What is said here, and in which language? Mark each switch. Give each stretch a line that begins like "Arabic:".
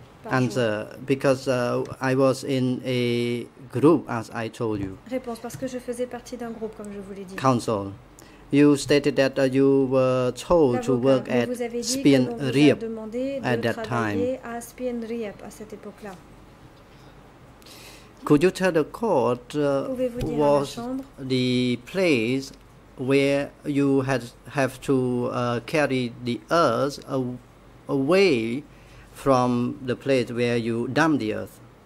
English: Answer, because I was in a group, as I told you.
French: Réponse, parce que je faisais partie d'un groupe, comme je vous l'ai dit.
English: Council, you stated that you were told to work at Spin Rip at that time.
French: À Spin Rip à cette époque-là.
English: Could you tell the court was the place where you have to carry the earth away from the place where you dump the earth?